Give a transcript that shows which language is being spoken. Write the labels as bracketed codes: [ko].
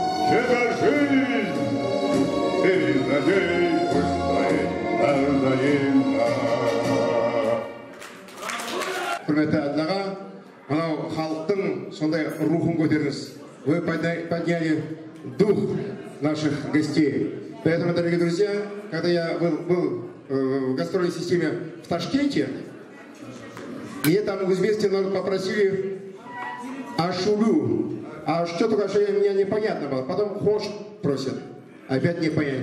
[ru] тебя жизнь, и надеюсь, что ты взаимна. [kk] Құрметті әділаға, мынау халықтың сондай рухын көтеріңіз. [ru] Вы подняли дух наших гостей. Поэтому, дорогие друзья, когда я был в гастрольной системе в Ташкенте, мне там известные народ попросили ашулю. А что такое ашулю, мне непонятно было. Потом хош просят, опять непонятно.